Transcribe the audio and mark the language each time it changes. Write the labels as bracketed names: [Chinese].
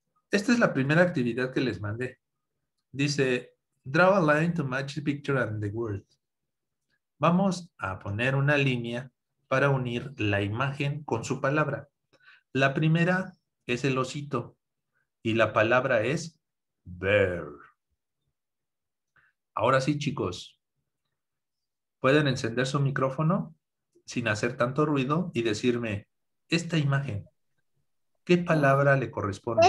[Spanish] Esta es la primera actividad que les mandé. Dice, [English] Draw a line to match the picture and the word. [Spanish] Vamos a poner una línea para unir la imagen con su palabra. La primera es el osito y la palabra es bear. Ahora sí, chicos, pueden encender su micrófono sin hacer tanto ruido y decirme, esta imagen, ¿qué palabra le corresponde?